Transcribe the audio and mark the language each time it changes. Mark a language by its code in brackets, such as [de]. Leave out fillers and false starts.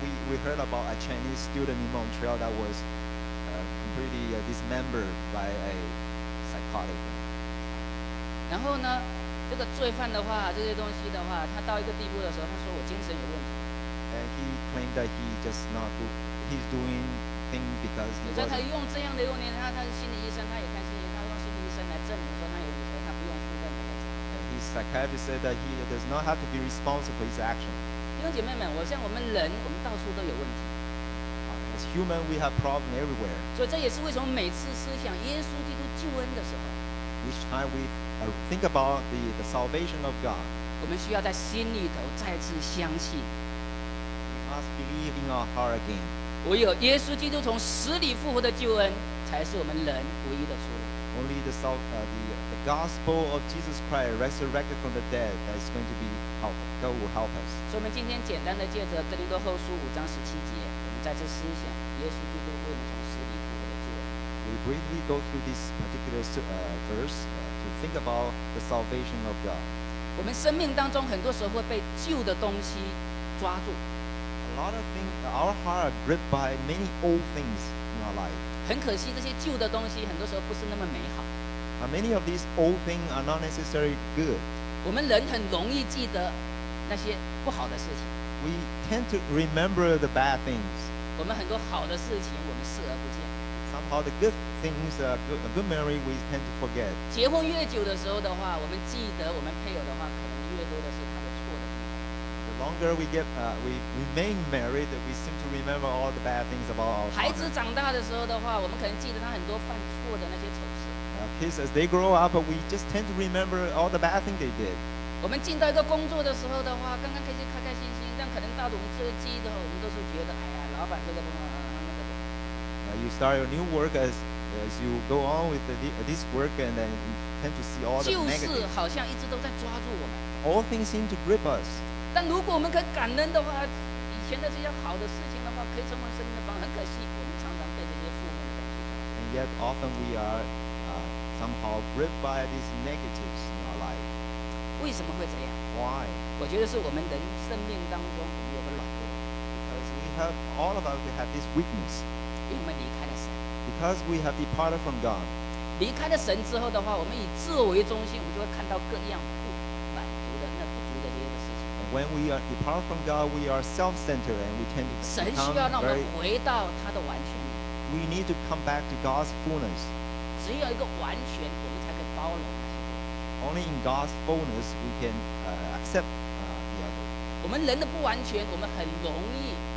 [en] We heard about a Chinese student in Montreal that was completely dismembered by a psychotic. [zh] 然后呢，这个罪犯的话，这些东西的话，他到一个地步的时候，他说我精神有问题。 [en] And he claimed that he's doing things because. [zh] 你说他用这样的用念，他是心理医生，他也看心理，他用心理医生来证明说他有罪，他不用负任何责任。 [en] His psychiatrist said that he does not have to be responsible for his action. [zh] 弟兄姐妹们，我像我们人，我们到处都有问题。 [en] As human, we have problems everywhere. [zh] 所以这也是为什么每次思想耶稣基督救恩的时候 [en] ，Each time we think about the salvation of God, [zh] 我们需要在心里头再次相信。 [en] We must believe in our heart again. [zh] 唯有耶稣基督从死里复活的救恩，才是我们人唯一的出路。 [en] Only the gospel of Jesus Christ resurrected from the dead that is going to be God will help us. [zh] 所以我们今天简单的借着哥林多后书五章十七节，我们再次思想耶稣基督为我们从死里复活的救恩。 [en] We briefly go through this particular verse to think about the salvation of God. [zh] 我们生命当中很多时候会被旧的东西抓住。 [en] A lot of things, our heart are gripped by many old things in our life. [zh] 很可惜，这些旧的东西很多时候不是那么美好。 [en] Many of these old things are not necessarily good. [zh] 我们人很容易记得那些不好的事情。 [en] We tend to remember the bad things. [zh] 我们很多好的事情，我们视而不见。 [en] Somehow the good things, a good memory, we tend to forget. [zh] 结婚越久的时候的话，我们记得我们配偶的话，可能越多的是他的错的地方。 [en] The longer we get, we remain married, we seem to remember all the bad things about our. [zh] 孩子长大的时候的话，我们可能记得他很多犯错的那些丑事。 [en] Kids, as they grow up, we just tend to remember all the bad things they did. [zh] 我们进到一个工作的时候的话，刚刚开始开开心心，但可能到了我们这个阶段，我们都是觉得，哎呀，老板这个不好。 [en] You start your new work as you go on with this work and then you tend to see all the negative. [zh] 旧事好像一直都在抓住我们。 [en] All things seem to grip us. [zh] 但如果我们可以感恩的话，以前的这些好的事情的话，可以成为生命的帮助。很可惜，我们常常被这些负面的东西。 [en] And yet often we are somehow gripped by these negatives in our life. [zh] 为什么会这样？ [en] Why? [zh] 我觉得是我们人生命当中我们有个软弱。 [en] Because we have all of us, we have this weakness. [zh] 我们离开了神 [en] ，because we have departed from God。 [zh] 离开了神之后的话，我们以自我为中心，我们就会看到各样不满足的、那不足的这些事情。 [en] When we are departed from God, we are self-centered and we tend to become very. [zh] 神需要让我们回到他的完全里。 [en] We need to come back to God's fullness. [zh] 只有一个完全，我们才可以包容那些。 [en] Only in God's fullness we can accept the other. [zh] 我们人的不完全，我们很容易。